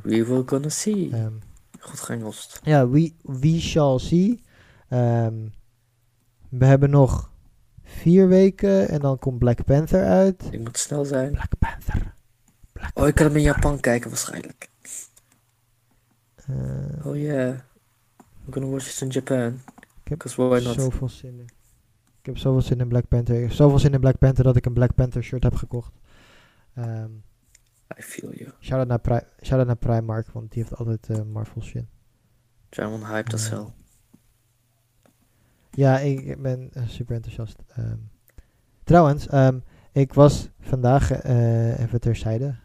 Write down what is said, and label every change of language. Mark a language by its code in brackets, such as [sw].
[en] We will gonna see. [nl] Goed geëngelst. [en] Ja, yeah, we shall see. [nl] We hebben nog 4 weken en dan komt Black Panther uit. Ik moet snel zijn. Black Panther. Oh, ik kan hem in Japan kijken waarschijnlijk. [en] Oh yeah. We're gonna watch it in Japan. [nl] Ik heb zoveel zin in. Ik heb zoveel zin in Black Panther. Ik heb zoveel zin in Black Panther dat ik een Black Panther shirt heb gekocht. [en] I feel you. [nl] Shout out naar Primark, want die heeft altijd Marvel shit. [en] German hyped as hell. [nl] Ja, ik ben super enthousiast. Trouwens, ik was vandaag even terzijde.